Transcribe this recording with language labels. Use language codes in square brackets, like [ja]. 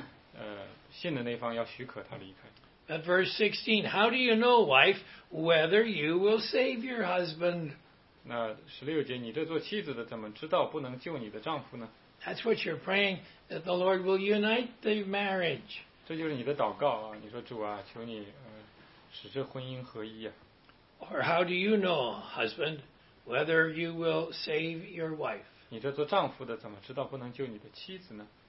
[zh] 那神不是愿意这样的事发生，但是一个一方一定义要离开的时候呢，信的那方要许可他离开。 [en] At verse 16, how do you know, wife, whether you will save your husband? [zh] 那16节，你这做妻子的怎么知道不能救你的丈夫呢？ [en] That's what you're praying, that the Lord will unite the marriage. [zh] 这就是你的祷告啊，你说主啊，求你使这婚姻合一啊。 [en] Or how do you know, husband, whether you will save your wife? [zh] 你这做丈夫的怎么知道不能救你的妻子呢？